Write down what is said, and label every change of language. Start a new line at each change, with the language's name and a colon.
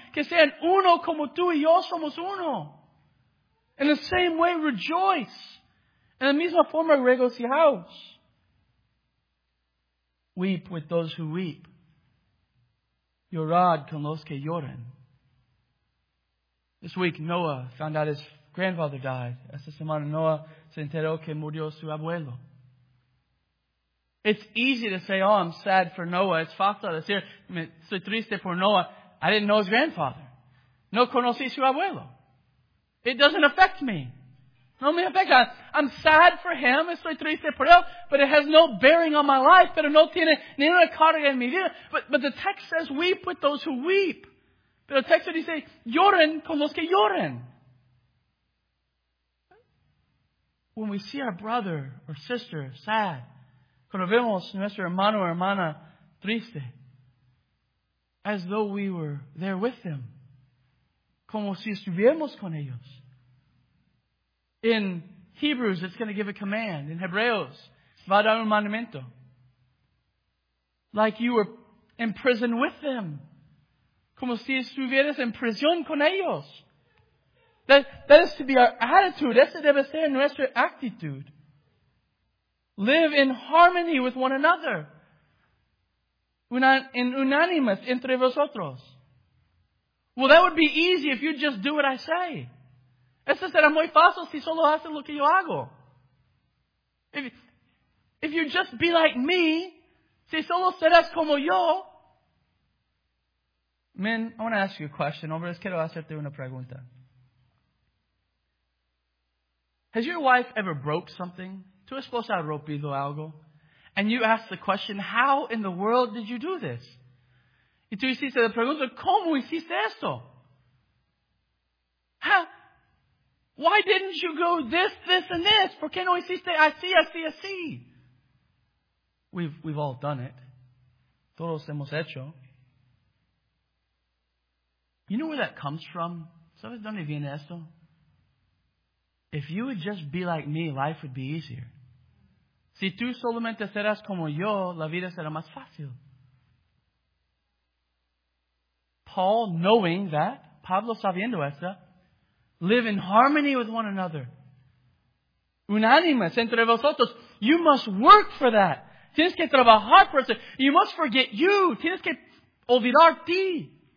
Spanish: Que sean uno como tú y yo somos uno.
English: In the same way, rejoice.
Spanish: In the misma forma, regocijaos.
English: Weep with those who weep.
Spanish: Llorad con los que lloran.
English: This week, Noah found out his grandfather died.
Spanish: Esta semana, Noah se enteró que murió su abuelo.
English: It's easy to say, oh, I'm sad for Noah. It's
Spanish: fácil decir, soy triste por Noah.
English: I didn't know his grandfather.
Spanish: No conocí su abuelo.
English: It doesn't affect me.
Spanish: No me afecta.
English: I'm sad for him.
Spanish: Estoy triste por él.
English: But it has no bearing on my life.
Spanish: Pero no tiene ni una carga en mi vida.
English: But the text says, weep with those who weep.
Spanish: Pero el texto dice, lloren con los que lloren.
English: When we see our brother or sister sad,
Spanish: cuando vemos nuestro hermano o hermana triste,
English: as though we were there with them,
Spanish: como si estuviéramos con ellos.
English: In Hebrews, it's going to give a command.
Spanish: In Hebreos, va a dar un mandamiento.
English: Like you were in prison with them.
Spanish: Como si estuvieras en prisión con ellos.
English: That is to be our attitude.
Spanish: Esa debe ser nuestra actitud.
English: Live in harmony with one another.
Spanish: En unanimous entre vosotros.
English: Well, that would be easy if you just do what I say.
Spanish: Eso será muy fácil si solo haces lo que yo hago.
English: If you just be like me,
Spanish: si solo serás como yo.
English: Men, I want to ask you a question.
Spanish: Hombres, quiero hacerte una pregunta.
English: Has your wife ever broke something?
Spanish: ¿Tu esposa ha rompido algo?
English: And you ask the question, how in the world did you do this?
Spanish: Y tú hiciste la pregunta, ¿cómo hiciste esto?
English: How? Why didn't you go this, this, and this?
Spanish: ¿Por qué no hiciste así, así, así?
English: We've all done it.
Spanish: Todos hemos hecho.
English: You know where that comes from?
Spanish: ¿Sabes dónde viene esto?
English: If you would just be like me, life would be easier.
Spanish: Si tú solamente serás como yo, la vida será más fácil.
English: Paul, knowing that,
Spanish: Pablo sabiendo esto,
English: live in harmony with one another.
Spanish: Unánimes entre vosotros.
English: You must work for that.
Spanish: Tienes que trabajar por eso.
English: You must forget you.
Spanish: Tienes que olvidar ti.